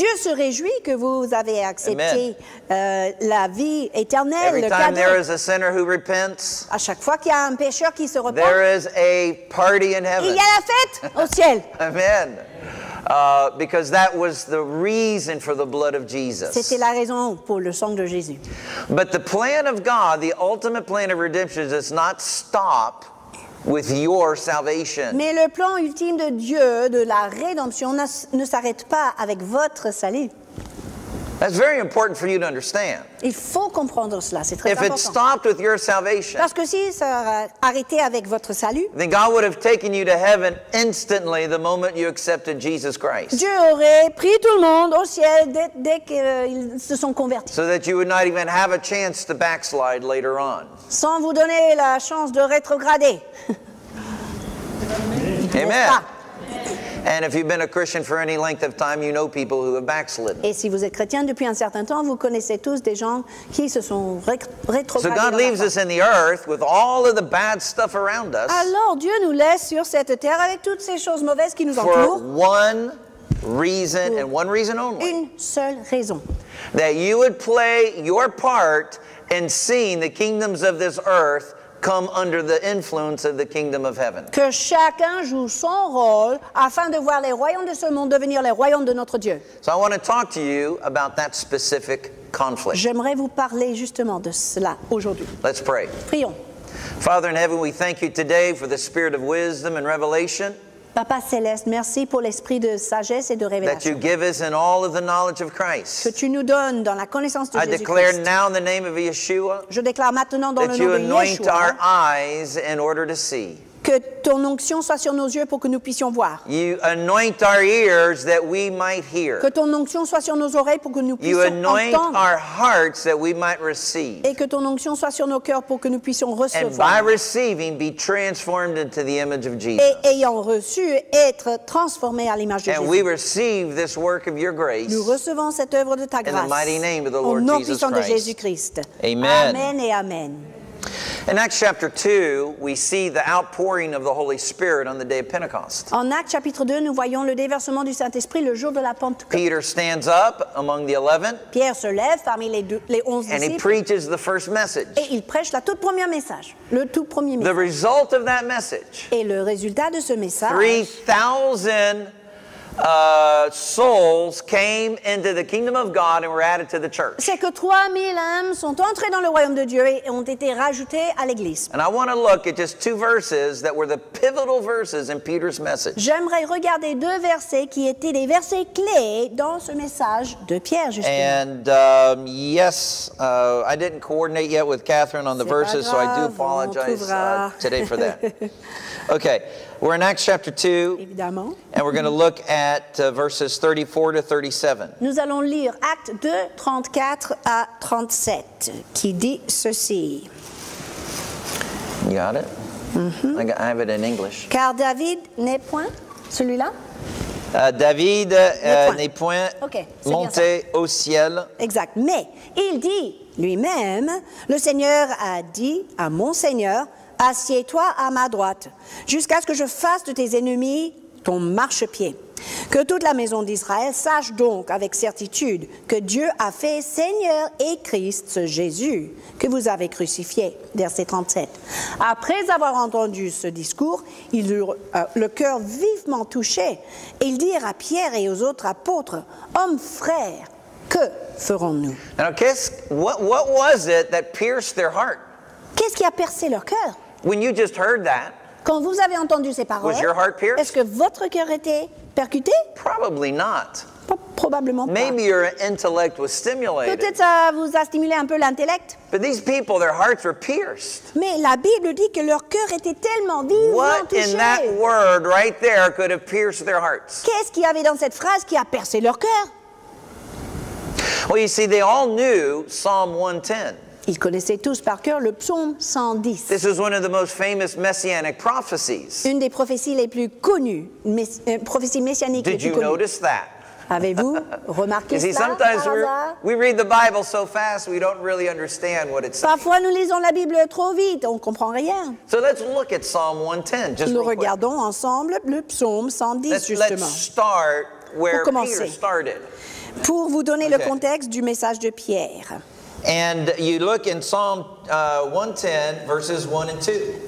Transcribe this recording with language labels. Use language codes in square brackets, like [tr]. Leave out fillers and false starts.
[fr] Dieu se réjouit que vous avez accepté la vie éternelle. [en] Every time there is a sinner who repents, [fr] à chaque fois qu'il y a un pécheur qui se repent, [en] there is a party in heaven. [fr] Il y a la fête au ciel. [en] Amen. Because that was the reason for the blood of Jesus. [fr] C'était la raison pour le sang de Jésus. [en] But the plan of God, the ultimate plan of redemption, does not stop with your salvation. [fr] Mais le plan ultime de Dieu, de la rédemption, ne s'arrête pas avec votre salut. [en] That's very important for you to understand. [fr] Il faut comprendre cela, c'est très [en] if [fr] important. [en] If it stopped with your salvation, [fr] parce que si ça arrêtait avec votre salut, [en] then God would have taken you to heaven instantly the moment you accepted Jesus Christ. [fr] Dieu aurait pris tout le monde au ciel dès qu'ils se sont convertis. [en] So that you would not even have a chance to backslide later on. [fr] Sans vous donner la chance de rétrograder. [en] Amen. And if you've been a Christian for any length of time, you know people who have backslidden. [fr] Et si vous êtes chrétien depuis un certain temps, vous connaissez tous des gens qui se sont rétrogradés. [en] So God leaves us in the earth with all of the bad stuff around us. [fr] Alors Dieu nous laisse sur cette terre avec toutes ces choses mauvaises qui nous [en] for [fr] entourent. [en] For one reason and one reason only. [fr] Une seule raison. [en] That you would play your part in seeing the kingdoms of this earth come under the influence of the kingdom of heaven. [fr] Que chacun joue son rôle afin de voir les royaumes de ce monde devenir les royaumes de notre Dieu. [en] So I want to talk to you about that specific conflict. [fr] J'aimerais vous parler justement de cela aujourd'hui. [en] Let's pray. [fr] Prions. [en] Father in heaven, we thank you today for the spirit of wisdom and revelation. [fr] Papa céleste, merci pour l'esprit de sagesse et de révélation. [en] That you give us in all of the knowledge of Christ. [fr] Que tu nous donnes dans la connaissance de [en] Jésus. I declare now in the name of Yeshua. [fr] Je déclare maintenant dans le nom de [en] Yeshua. That you anoint our eyes in order to see. [fr] Que ton onction soit sur nos yeux pour que nous puissions voir. [en] You anoint our ears that we might hear. [fr] Que ton onction soit sur nos oreilles pour que nous puissions entendre. [en] You anoint our hearts that we might receive. [fr] Et que ton onction soit sur nos cœurs pour que nous puissions recevoir. [en] And by receiving, be transformed into the image of Jesus. [fr] Et ayant reçu, être transformé à l'image de Jésus. [en] And we receive this work of your grace. [fr] Nous recevons cette œuvre de ta grâce. [en] In the mighty name of the Lord [fr] Jésus Christ. Au nom puissant de Jésus Christ. [en] Amen. [fr] Amen et amen. [en] In Acts chapter 2, we see the outpouring of the Holy Spirit on the day of Pentecost. [fr] En Actes chapitre 2, nous voyons le déversement du Saint-Esprit le jour de la Pentecôte. [en] Peter stands up among the 11. [fr] Pierre se lève parmi les 11 disciples. [en] And he preaches the first message. [fr] Et il prêche la toute première message, le tout premier message. [en] The result of that message. [fr] Et le résultat de ce message. [en] 3,000 souls came into the kingdom of God and were added to the church. [fr] C'est que 3000 âmes sont entrées dans le royaume de Dieu et ont été rajoutées à l'église. [en] And I want to look at just two verses that were the pivotal verses in Peter's message. [fr] J'aimerais regarder deux versets qui étaient des versets clés dans ce message de Pierre justement. [en] And I didn't coordinate yet with Catherine on the verses, [fr] grave, [en] so I do apologize today for that. Okay. We're in Acts chapter 2, [fr] évidemment. [en] And we're going to look at verses 34 to 37. [fr] Nous allons lire Acte 2, 34 à 37, qui dit ceci. [en] You got it? Mm-hmm. I have it in English. [fr] Car David n'est point, celui-là? David n'est point [en] okay, [fr] monté au ciel. Exact. Mais il dit lui-même, le Seigneur a dit à mon Seigneur, assieds-toi à ma droite, jusqu'à ce que je fasse de tes ennemis ton marchepied. Que toute la maison d'Israël sache donc avec certitude que Dieu a fait Seigneur et Christ ce Jésus que vous avez crucifié. Verset 37. Après avoir entendu ce discours, ils eurent le cœur vivement touché. Ils dirent à Pierre et aux autres apôtres, hommes frères, que ferons-nous? Alors, [en] what was it that pierced their heart? [fr] Qu'est-ce qui a percé leur cœur? [en] When you just heard that, [fr] quand vous avez entendu ces paroles, [en] was your heart pierced? [fr] Est-ce que votre cœur était percuté? [en] Probably not. [fr] Probablement pas. [en] Maybe your intellect was stimulated. [fr] Peut-être ça vous a stimulé un peu l'intellect. [en] But these people, their hearts were pierced. [fr] Mais la Bible dit que leur cœur était tellement vivement touché. [en] What in that word right there could have pierced their hearts? [fr] Qu'est-ce qu'il y avait dans cette phrase qui a percé leur cœur? [en] Well, you see, they all knew Psalm 110. [fr] Ils connaissaient tous par cœur le psaume 110. [en] This is one of the most famous messianic prophecies. [fr] Une des prophéties les plus connues, prophétie messianique les plus connues. [en] Did you notice that? [fr] Avez-vous remarqué cela? [en] Sometimes we read the Bible so fast we don't really understand what it's saying. [fr] Parfois nous lisons la Bible trop vite, on comprend rien. [en] So let's look at Psalm 110. Just [fr] nous regardons ensemble le psaume 110 justement. [en] Let's start where Peter started. [fr] Pour vous donner le contexte du message de Pierre. [en] And you look in Psalm 110, verses 1 and 2.